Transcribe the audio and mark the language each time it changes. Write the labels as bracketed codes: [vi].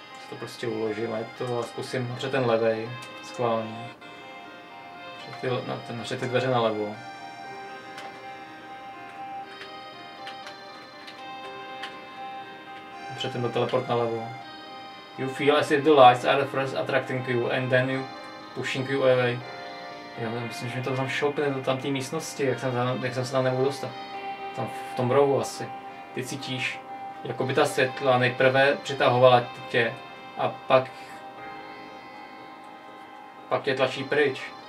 [cs] To prostě uložím, je to a zkusím napřed ten levej, schválně. Napřed ty dveře nalevo. Napřed ten teleport nalevo. [en] You feel as if the lights are first attracting you and then you... Pushing you away. [cs] Já myslím, že mi to tam šoupne do tamtý místnosti, jak jsem se tam nebudu dostat. Tam v tom rohu asi. Ty cítíš, jako by ta světla nejprve přitahovala tě a pak tě tlačí pryč.